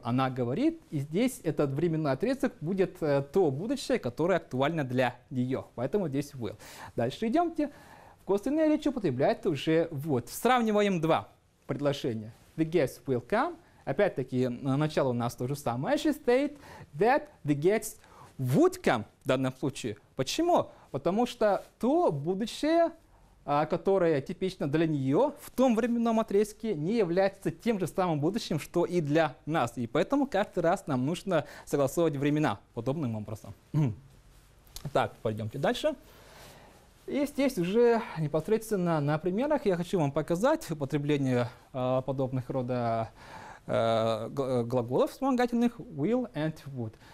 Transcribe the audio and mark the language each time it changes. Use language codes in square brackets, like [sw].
[ru] Она говорит, и здесь этот временной отрезок будет то будущее, которое актуально для нее. Поэтому здесь will. Дальше идемте. В косвенной речи употребляется уже would. Сравниваем два предложение. [en] The guests will come. [ru] Опять-таки, начало у нас то же самое. [en] She said that the guests would come [ru] в данном случае. Почему? Потому что то будущее, которое типично для нее в том временном отрезке, не является тем же самым будущим, что и для нас. И поэтому каждый раз нам нужно согласовывать времена подобным образом. Так, пойдемте дальше. И здесь уже непосредственно на примерах я хочу вам показать употребление подобных рода глаголов вспомогательных will and would.